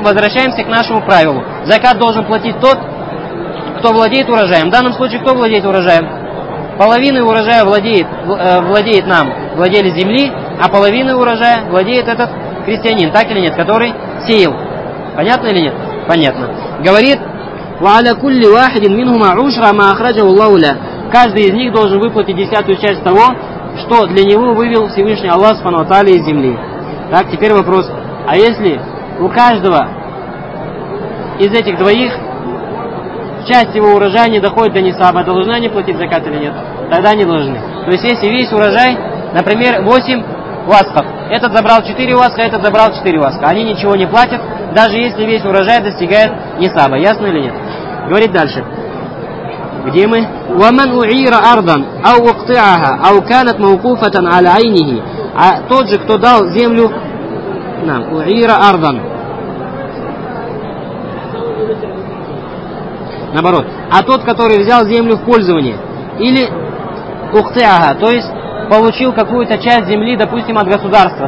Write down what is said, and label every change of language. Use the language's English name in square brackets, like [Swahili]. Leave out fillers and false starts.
[Russian] Возвращаемся к нашему правилу. Закат должен платить тот, кто владеет урожаем. В данном случае кто владеет урожаем? Половина урожая владеет нам, владелец земли, а половина урожая владеет этот крестьянин, так или нет, который сеял. Понятно или нет? Понятно. Говорит, [Arabic] وَعَلَى كُلِّ وَاحِدٍ مِنْهُمَا عُشْرَ مَا أَخْرَجَهُ اللَّهُ لَهُ. [Russian] Каждый из них должен выплатить десятую часть того, что для него вывел Всевышний Аллах субхана ва тааля из земли. Так, теперь вопрос. А если у каждого из этих двоих часть его урожая не доходит до нисаба, должны они платить закат или нет? Тогда не должны. То есть, если весь урожай, например, 8 васхов, этот забрал 4 васха, этот забрал 4 васха, они ничего не платят, даже если весь урожай достигает нисаба. Ясно или нет? Говорит дальше. Где мы? [Arabic] وَمَنْ أُعِيرَ أَرْضًا أَوْ أُقْطِعَهَا أَوْ كَانَتْ مَوْقُوفَةً عَلَى عَيْنِهِ. [Russian] А тот же, кто дал землю нам, [Arabic] уира ардан. [Russian] Наоборот. А тот, который взял землю в пользование. Или ухтиага, то есть получил какую-то часть земли, допустим, от государства.